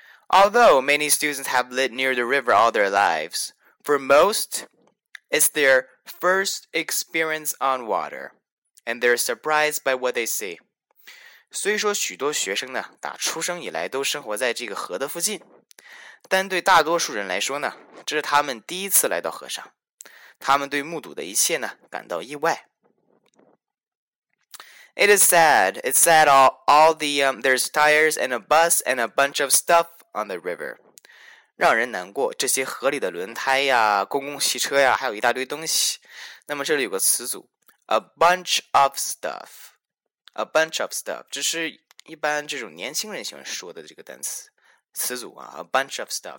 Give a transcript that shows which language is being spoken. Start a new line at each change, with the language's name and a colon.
English: Although many students have lived near the river all their lives, for most, it's their first experience on water, and they're surprised by what they see.
Chinese: 虽说许多学生呢，打出生以来都生活在这个河的附近，但对大多数人来说呢，这是他们第一次来到河上。他们对目睹的一切呢，感到意外。
English: It is sad. It's sad there's tires and a bus and a bunch of stuff. On the river.
Chinese: 让人难过这些河里的轮胎呀公共汽车呀还有一大堆东西。那么这里有个词组
English: ,a bunch of stuff. A bunch of stuff.
Chinese: 这是一般这种年轻人喜欢说的这个单词。词组啊 ,
English: a bunch of stuff.